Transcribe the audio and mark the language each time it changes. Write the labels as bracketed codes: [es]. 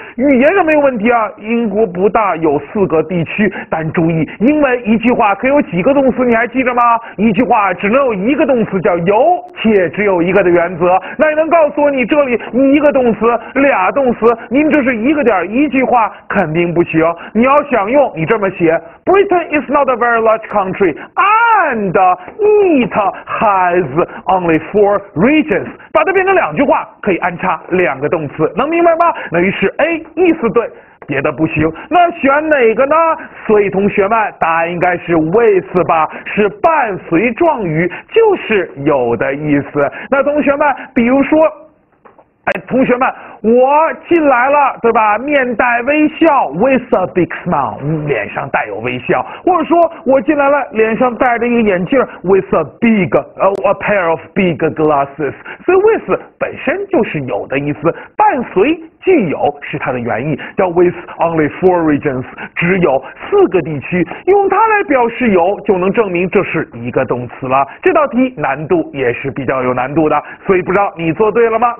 [zh] 语言上没有问题啊，英国不大，有4个地区，但注意，英文一句话可以有几个动词，你还记着吗？一句话只能有一个动词，叫有且只有一个的原则。那你能告诉我你这里一个动词、俩动词，您这是一个点，一句话肯定不行。你要想用，你这么写 [en] ：Britain is not a very large country, and it has only 4 regions。 [zh] 把它变成2句话，可以安插2个动词，能明白吗？那于是 A 意思对，别的不行，那选哪个呢？所以同学们，答案应该是 with 吧，是伴随状语，就是有的意思。那同学们，比如说，哎，同学们，我进来了，对吧？面带微笑 ， [en] with a big smile， [zh] 脸上带有微笑。或者说我进来了，脸上戴着一个眼镜 ， [en] with a big， a pair of big glasses。 [zh] 所以 with 本身就是有的意思，伴随既有是它的原意，叫 [en] with only four regions， [zh] 只有四个地区。用它来表示有，就能证明这是一个动词了。这道题难度也是比较有难度的，所以不知道你做对了吗？